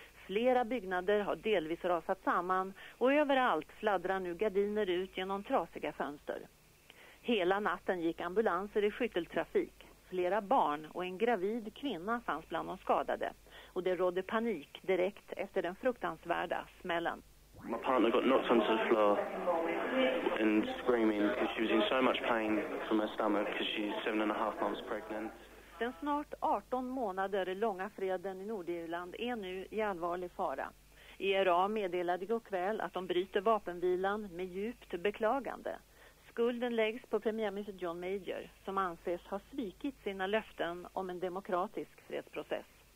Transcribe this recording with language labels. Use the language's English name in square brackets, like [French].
[Swedish] Flera byggnader har delvis rasat samman och överallt fladdrar nu gardiner ut genom trasiga fönster. Hela natten gick ambulanser i skytteltrafik. Flera barn och en gravid kvinna fanns bland de skadade. Och det rådde panik direkt efter den fruktansvärda smällen. [English] My partner got knocked onto the floor and screaming because she was in so much pain from her stomach because she's 7.5 months pregnant. [Swedish] Den snart 18 månader långa freden i Nordirland är nu i allvarlig fara. IRA meddelade igår kväll att de bryter vapenvilan med djupt beklagande. Skulden läggs på premiärminister John Major som anses ha svikit sina löften om en demokratisk fredsprocess.